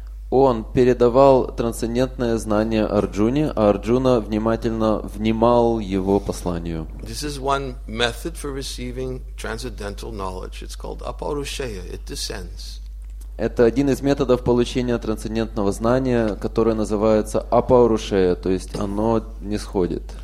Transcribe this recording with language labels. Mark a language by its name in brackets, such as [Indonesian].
[Russian] Он передавал трансцендентное знание Арджуне, а Арджуна внимательно внимал его посланию. [English] This is one method for receiving transcendental knowledge. It's called apaurusheya. It descends. [Russian] Это один из методов получения трансцендентного знания, которое называется апаурушея, то есть оно нисходит.